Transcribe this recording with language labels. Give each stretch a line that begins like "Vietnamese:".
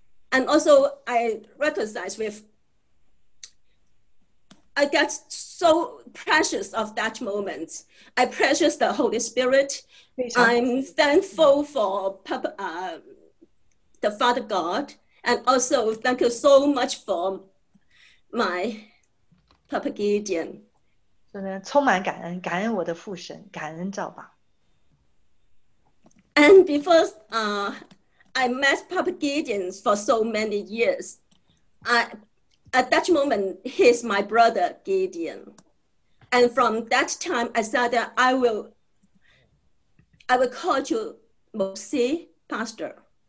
English: And also I recognize with, I get so precious of that moment. I precious the Holy Spirit. I'm thankful for Papa, the Father God. And also thank you so much for my Papa Gideon.
Chinese: 充满感恩，感恩我的父神，感恩赵爸。
English: And before I met Papa Gideon for so many years, at that moment he's my brother Gideon. And from that time I said that I will call you Mosi Pastor.